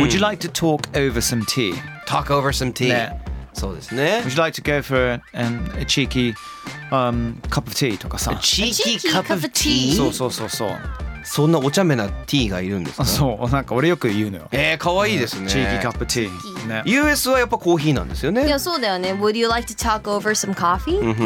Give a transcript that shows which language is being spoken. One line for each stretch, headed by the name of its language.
English: Would you like to talk over some tea? Talk over some tea、
Japanese: ね。そうですね。
English: Would you like to go for a cheeky、cup of tea
Japanese: とかさ。
English: A cheeky cup of tea?
Japanese: そうそうそうそう。そんなお茶目なティーがいるんですか。そう、なんか俺よく言うのよ。かわいいですね。
English: cheeky cup of tea、ね。
Japanese: US はやっぱコーヒーなんですよね。いや、そうだよね。
English: Would you like to talk over some coffee?